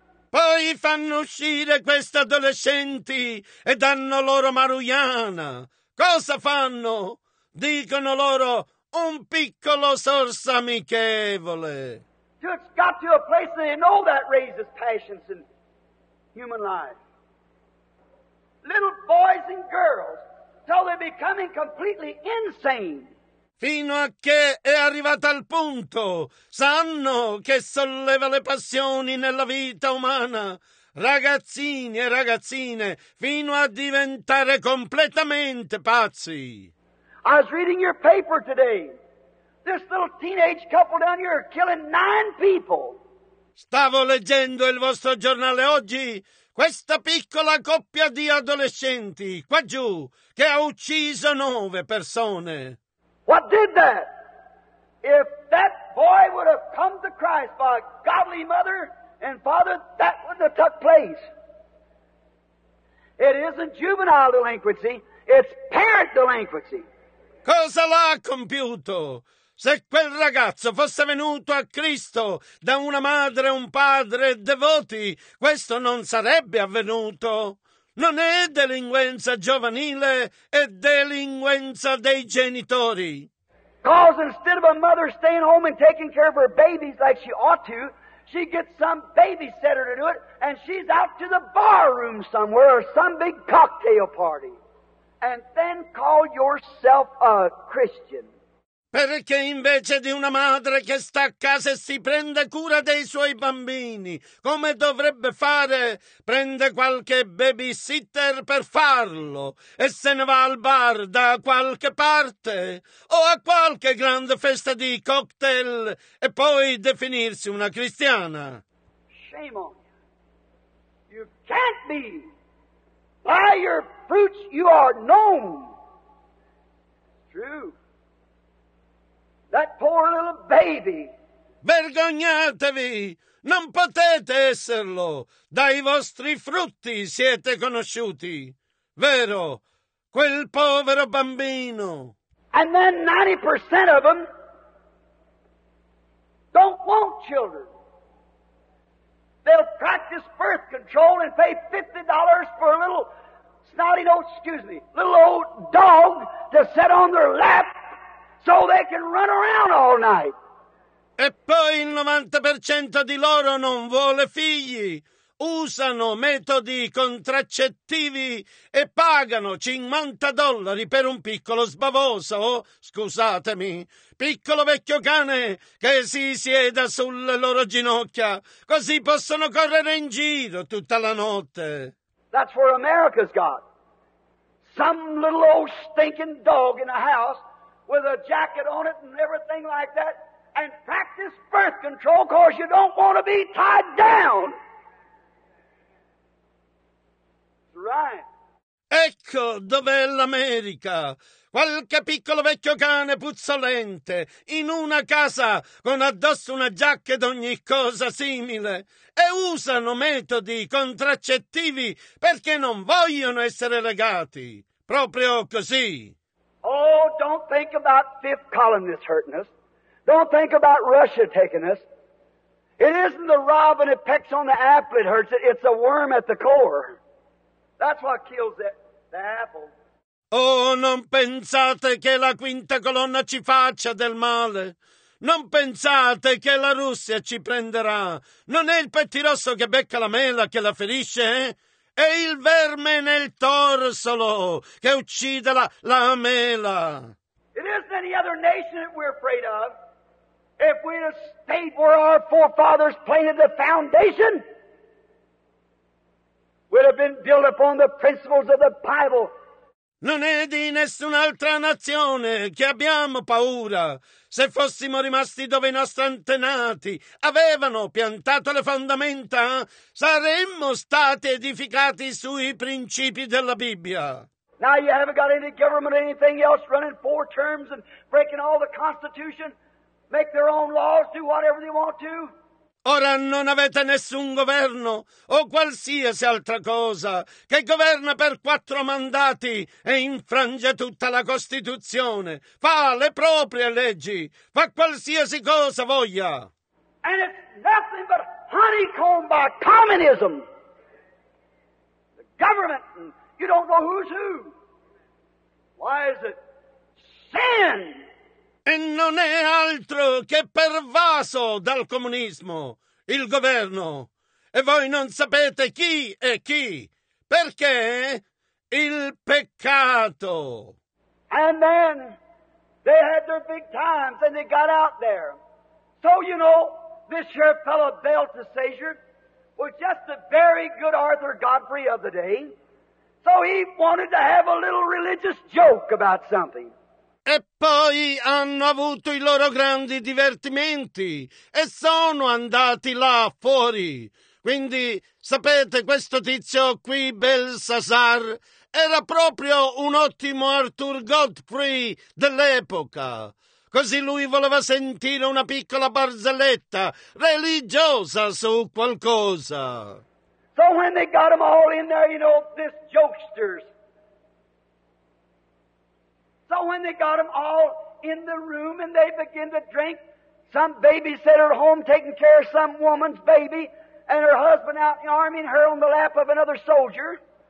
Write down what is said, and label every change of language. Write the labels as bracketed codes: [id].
[it] Poi fanno uscire questi adolescenti e danno loro marijuana. Cosa fanno? Dicono loro un piccolo sorso amichevole. [en] It's got to a place that they know that raises passions in human life. Little boys and girls, till they're becoming completely insane. [it] Fino a che è arrivata al punto, sanno che solleva le passioni nella vita umana, ragazzini e ragazzine, fino a diventare completamente pazzi. [en] I was reading your paper today. This little teenage couple down here are killing 9 people. [it] Stavo leggendo il vostro giornale oggi. Questa piccola coppia di adolescenti, qua giù, che ha ucciso 9 persone. [en] What did that? If that boy would have come to Christ by a godly mother and father, that wouldn't have took place. It isn't juvenile delinquency, it's parent delinquency. [it] Cosa l'ha compiuto? Se quel ragazzo fosse venuto a Cristo da una madre e un padre devoti, questo non sarebbe avvenuto. Non è delinquenza giovanile, è delinquenza dei genitori. [en] Because instead of a mother staying home and taking care of her babies like she ought to, she gets some babysitter to do it, and she's out to the bar room somewhere or some big cocktail party. And then call yourself a Christian. [it] Perché invece di una madre che sta a casa e si prende cura dei suoi bambini, come dovrebbe fare? Prende qualche babysitter per farlo e se ne va al bar da qualche parte o a qualche grande festa di cocktail e poi definirsi una cristiana. [en] Shame on you. You can't be. By your fruits you are known. True. That poor little baby. [it] Vergognatevi! Non potete esserlo! Dai vostri frutti siete conosciuti! Vero? Quel povero bambino! [en] And then 90% of them don't want children. They'll practice birth control and pay $50 for a little snotty nose, excuse me, little old dog to sit on their lap. So they can run around all night. [it] E poi il 90% di loro non vuole figli. Usano metodi contraccettivi e pagano $50 per un piccolo sbavoso, scusatemi, piccolo vecchio cane che si sieda sulle loro ginocchia. Così possono correre in giro tutta la notte. [en] That's where America's got. Some little old stinking dog in a house with a jacket on it and everything like that, and practice birth control because you don't want to be tied down. Right. [it] Ecco dov'è l'America. Qualche piccolo vecchio cane puzzolente in una casa con addosso una giacca ed ogni cosa simile e usano metodi contraccettivi perché non vogliono essere legati. Proprio così. [en] Oh, don't think about fifth columnists hurting us. Don't think about Russia taking us. It isn't the robin that pecks on the apple that hurts it. It's a worm at the core. That's what kills the apple. [it] Oh, non pensate che la quinta colonna ci faccia del male. Non pensate che la Russia ci prenderà. Non è il pettirosso che becca la mela che la ferisce, eh? È il verme nel torsolo che uccide la mela. [en] It isn't any other nation that we're afraid of. If we'd have stayed where our forefathers planted the foundation, we'd have been built upon the principles of the Bible. [it] Non è di nessun'altra nazione che abbiamo paura. Se fossimo rimasti dove i nostri antenati avevano piantato le fondamenta, saremmo stati edificati sui principi della Bibbia. [en] Now you haven't got any government or anything else running 4 terms and breaking all the Constitution, make their own laws, do whatever they want to. [it] Ora non avete nessun governo o qualsiasi altra cosa che governa per 4 mandati e infrange tutta la Costituzione. Fa le proprie leggi, fa qualsiasi cosa voglia. [en] And it's nothing but honeycombed by communism. The government, and you don't know who's who. Why is it sin? [it] E non è altro che pervaso dal comunismo, il governo. E voi non sapete chi è chi. Perché? Il peccato. [en] And then they had their big times and they got out there. So, you know, this here fellow Belteshazzar was just a very good Arthur Godfrey of the day. So he wanted to have a little religious joke about something. [it] E poi hanno avuto i loro grandi divertimenti e sono andati là fuori. Quindi, sapete, questo tizio qui, Belshazzar, era proprio un ottimo Arthur Godfrey dell'epoca. Così lui voleva sentire una piccola barzelletta religiosa su qualcosa. [en] So when they got them all in there, you know, this jokesters. So when they got them all in the room and they begin to drink, some babysitter at home taking care of some woman's baby and her husband out in the army and her on the lap of another soldier.